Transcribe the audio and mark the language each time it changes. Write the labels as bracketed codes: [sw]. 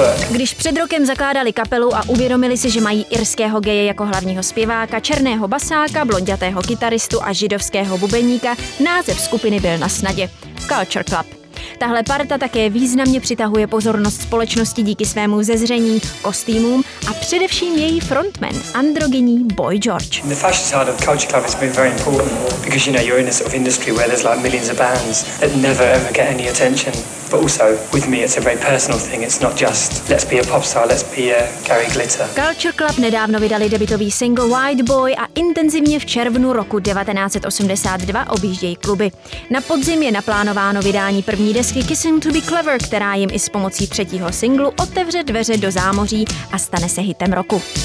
[cs] Když před rokem zakládali kapelu a uvědomili si, že mají irského geje jako hlavního zpěváka, černého basáka, blondětého kytaristu a židovského bubeníka, název skupiny byl na snadě. Culture Club. Tahle parta také významně přitahuje pozornost společnosti díky svému zezření, kostýmům a především její frontman, androgyní Boy George. [en] The fashion side of Culture Club has been very important because you know you're in a sort of industry where there's like millions of bands that never ever get any attention. But also with me it's a very personal thing. It's not just let's be a pop star, let's be a Gary Glitter. [cs] Culture Club nedávno vydali debutový single White Boy a intenzivně v červnu roku 1982 objíždějí kluby. Na podzim je naplánováno vydání první desky Kissing to be Clever, která jim i s pomocí třetího singlu otevře dveře do zámoří a stane se hitem roku.